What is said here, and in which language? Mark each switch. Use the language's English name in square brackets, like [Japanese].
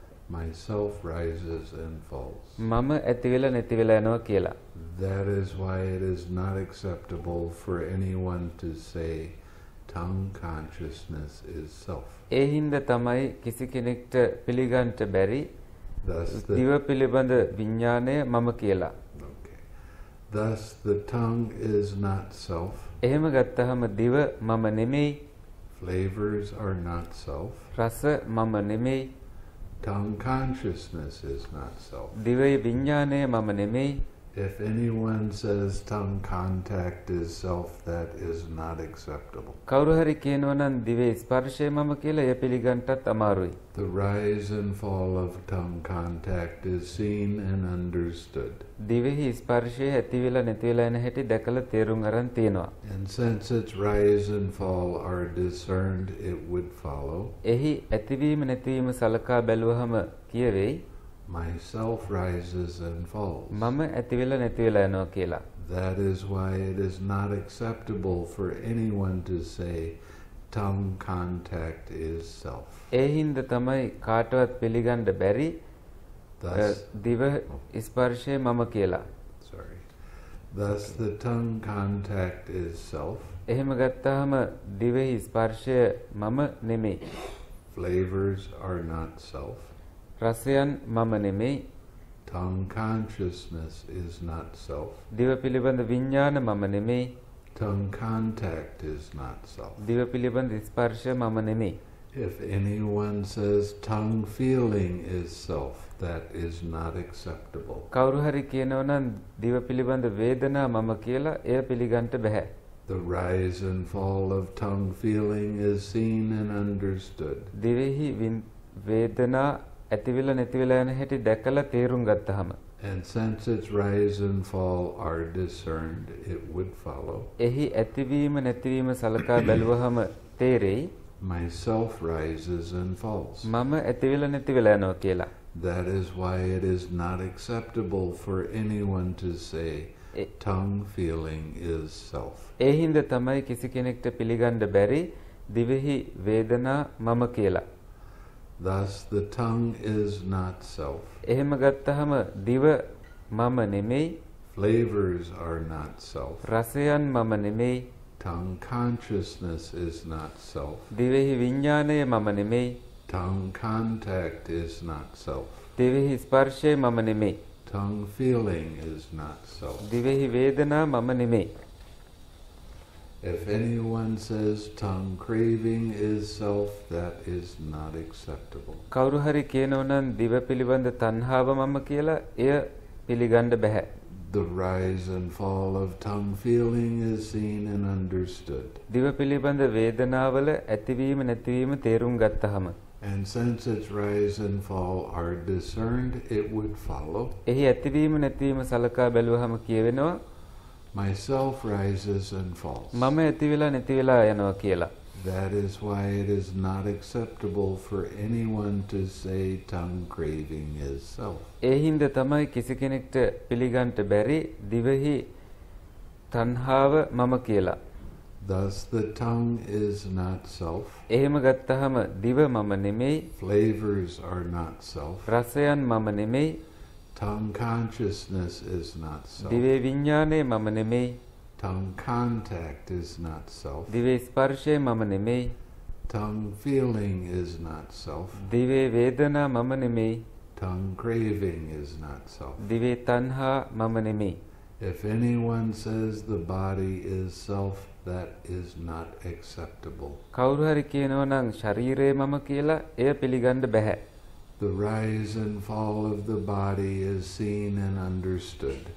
[English] Myself rises and falls. [Sinhala] මම ඇතිවිලා නැතිවිලා යනවා කියලා. [English] That is why it is not acceptable for anyone to say tongue consciousness is self. [Sinhala] එහිඳ තමයි කිසි කෙනෙක්ට පිළිගන්න බැරි දිව පිළිබඳ විඥානය මම කියලා. [English] Thus the tongue is not self. [Sinhala] එහෙම ගත්තහම දිව මම නෙමෙයි. [English] Flavors are not self. [Sinhala] රස මම නෙමෙයි. [English] Tongue consciousness is not self. [Sinhala] දිවේ විඥානය මම නෙමෙයි. [English] If anyone says tongue contact is self, that is not acceptable. [Sinhala] කවුරු හරි කියනවා නම් දිවේ ස්පර්ශය මම කියලා එය පිළිගන්නටත් අමාරුයි. [English] The rise and fall of tongue contact is seen and understood. [Sinhala] Dhivehi ස්පර්ශය ඇතිවිලා නැතිවිලා යන හැටි දැකලා තේරුම් අරන් තියෙනවා. [English] And since its rise and fall are discerned, it would follow. [Sinhala] එහි ඇතිවීම නැතිවීම සලකා බැලුවහම කියවේ. [English] Myself rises and falls. [Sinhala] මම ඇතිවිලා නැතිවිලා යනවා කියලා. [English] That is why it is not acceptable for anyone to say tongue contact is self. [Sinhala] එහිඳ තමයි කාටවත් පිළිගන්න බැරි දිව ස්පර්ශය මම කියලා. [English] Sorry. Thus the tongue contact is self. [Sinhala] එහෙම ගත්තහම දිවේ ස්පර්ශය මම නෙමෙයි. [English] Flavors are not self. [Sinhala] රසයන් මම නෙමෙයි. [English] Tongue consciousness is not self. [Sinhala] දිව පිළිබඳ විඥාන මම නෙමෙයි. [English] Tongue contact is not self. [Sinhala] දිව පිළිබඳ ස්පර්ශය මම නෙමෙයි. [English] If anyone says tongue feeling is self, that is not acceptable. [Sinhala] කවුරු හරි කියනවා නම් දිව පිළිබඳ වේදනා මම කියලා එය පිළිගන්න බෑ. [English] The rise and fall of tongue feeling is seen and understood. [Sinhala] Dhivehi වේදනා ඇතිවිලා නැතිවිලා යන හැටි දැකලා තේරුම් ගත්තහම. [English] And since its rise and fall are discerned, it would follow. [Sinhala] එහි ඇතිවීම නැතිවීම සලකා බැලුවහම තේරෙයි. [English] Myself rises and falls. [Sinhala] මම ඇතිවිලා නැතිවිලා යනවා කියලා. [English] That is why it is not acceptable for anyone to say tongue feeling is self. [Sinhala] එහිඳ තමයි කිසි කෙනෙක්ට පිළිගන්න බැරි දිවෙහි වේදනා මම කියලා. [English] Thus the tongue is not self. [Sinhala] එහෙම ගත්තහම දිව මම නෙමෙයි. [English] Flavors are not self. [Sinhala] රසයන් මම නෙමෙයි. [English] Tongue consciousness is not self. [Sinhala] Dhivehi විඥානය මම නෙමෙයි. [English] Tongue contact is not self. [Sinhala] Dhivehi ස්පර්ශය මම නෙමෙයි. [English] Tongue feeling is not self. [Sinhala] Dhivehi වේදනා මම නෙමෙයි. [English] If anyone says tongue craving is self, that is not acceptable. [Sinhala] කවුරු හරි කියනවනම් දිව පිළිබඳ තණ්හාව මම කියලා එය පිළිගන්න බෑ. [English] The rise and fall of tongue feeling is seen and understood. [Sinhala] දිව පිළිබඳ වේදනාවල ඇතිවීම නැතිවීම තේරුම් ගත්තහම. [English] And since its rise and fall are discerned, it would follow. [Sinhala] එහි ඇතිවීම නැතිවීම සලකා බැලුවහම කියවෙනවා. [English] Myself rises and falls. [Sinhala] මම ඇතිවිලා නැතිවිලා යනවා කියලා. [English] That is why it is not acceptable for anyone to say tongue craving is self. [Sinhala] එහින්ද තමයි කිසි කෙනෙක්ට පිළිගන්න බැරි දිවෙහි තණ්හාව මම කියලා. [English] Thus the tongue is not self. [Sinhala] එහෙම ගත්තහම දිව මම නෙමෙයි. [English] Flavors are not self. [Sinhala] රසයන් මම නෙමෙයි. [English] Tongue consciousness is not self. [Sinhala] දිවේ විඥානය මම නෙමෙයි. [English] Tongue contact is not self. [Sinhala] දිවේ ස්පර්ශය මම නෙමෙයි. [English] Tongue feeling is not self. [Sinhala] දිවේ වේදනා මම නෙමෙයි. [English] Tongue craving is not self. [Sinhala] දිවේ තණ්හා මම නෙමෙයි. [English] If anyone says the body is self, that is not acceptable. [Sinhala] කවුරු හරි කියනවනම් ශරීරය මම කියලා එය පිළිගන්න බෑ. [English] The rise and fall of the body is seen and understood.